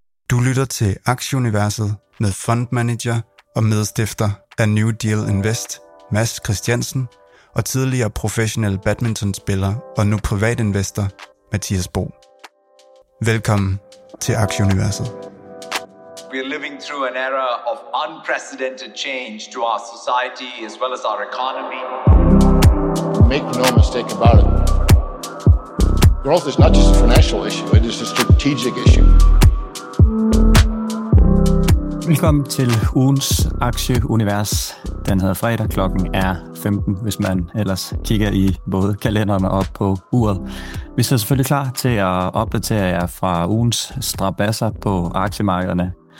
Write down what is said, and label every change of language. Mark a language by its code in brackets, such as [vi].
[da] Du lytter til Aktieuniverset med fundmanager og medstifter af New Deal Invest, Mads Christiansen, og tidligere professionel badmintonspiller og nu privatinvestor, Mathias Bo. Velkommen til Aktieuniverset. [en] We are living through an era of unprecedented change to our society as well as our economy. Make no mistake about it. Growth is not just a financial issue, it is a strategic issue. [da] Velkommen til ugens Aktieunivers. Den hedder fredag, klokken er 15, hvis man ellers kigger i både kalenderen og på uret. Vi sidder selvfølgelig klar til at opdatere jer fra ugens strabasser på aktiemarkederne.